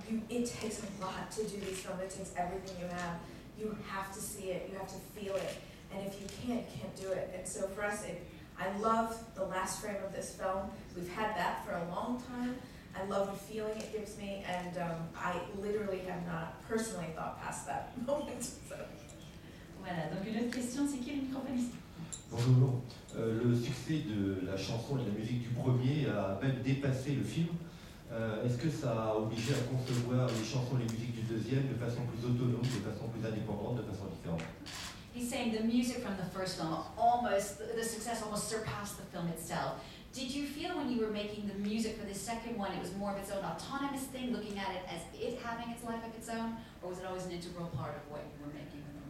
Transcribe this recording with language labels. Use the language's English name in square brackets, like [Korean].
[English] It takes a lot to do these films. It takes everything you have. You have to see it. You have to feel it. And if you can't do it. And so for us, I love the last frame of this film. We've had that for a long time. I love the feeling it gives me. And I literally have not personally thought past that moment. So. [French] Voilà. Donc une autre question, c'est qui le microphoniste? Bonjour. Le succès de la chanson et de la musique du premier a même dépassé le film. Est-ce que ça a obligé à concevoir les chansons et les musiques du deuxième de façon plus autonome, de façon plus indépendante, de façon différente? [English] He's saying the music from the first film, the success almost surpassed the film itself. Did you feel when you were making the music for the second one, it was more of its own autonomous thing, looking at it as it having its life of its own, or was it always an integral part of what you were making?